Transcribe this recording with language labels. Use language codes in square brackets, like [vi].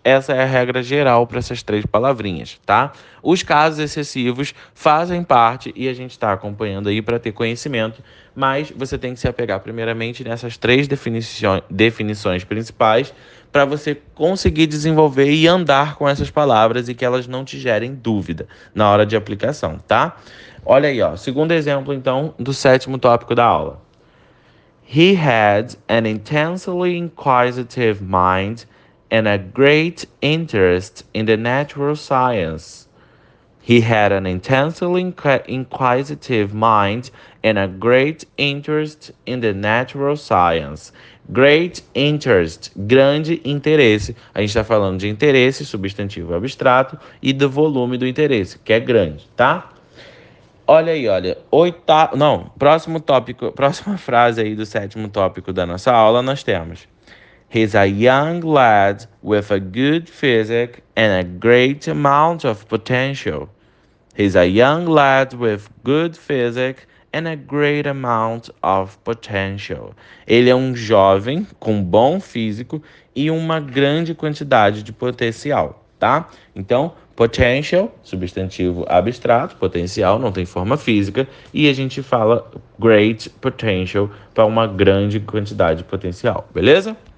[pt] Essa é a regra geral para essas três palavrinhas, tá? Os casos excessivos fazem parte e a gente está acompanhando aí para ter conhecimento, mas você tem que se apegar primeiramente nessas três definições principais para você conseguir desenvolver e andar com essas palavras e que elas não te gerem dúvida na hora de aplicação, tá? Olha aí, ó, segundo exemplo, então, do sétimo tópico da aula. [en] He had an intensely inquisitive mind and a great interest in the natural science. He had an intensely inquisitive mind and a great interest in the natural science. Great interest, [pt] grande interesse. A gente está falando de interesse, substantivo abstrato, e do volume do interesse, que é grande, tá? Olha aí, olha, próximo tópico, próxima frase aí do sétimo tópico da nossa aula, nós temos. He's a young lad with a good physique and a great amount of potential. He's a young lad with good physique and a great amount of potential. Ele é um jovem com bom físico e uma grande quantidade de potencial, tá? Então, potential, substantivo abstrato, potencial, não tem forma física. E a gente fala [en] great potential [pt] para uma grande quantidade de potencial, beleza?